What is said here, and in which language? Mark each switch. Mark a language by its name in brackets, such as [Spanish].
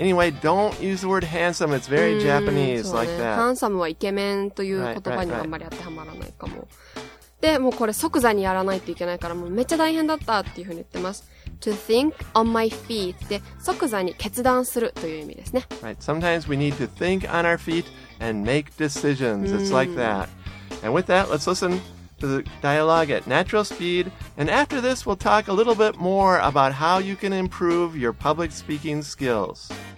[English] Anyway, don't use the word handsome. It's very Japanese like that. Handsome [Japanese] はイケメンという言葉にはあんまり当てはまらないかも。で、もうこれ即座にやらないといけないから、もうめっちゃ大変だったっていうふうに言ってます。 [English] To think on my feet [Japanese] で即座に決断するという意味ですね。 [English] Right. Sometimes we need to think on our feet and make decisions. It's like that. And with that, let's listen to the dialogue at natural speed. And after this, we'll talk a little bit more about how you can improve your public speaking skills.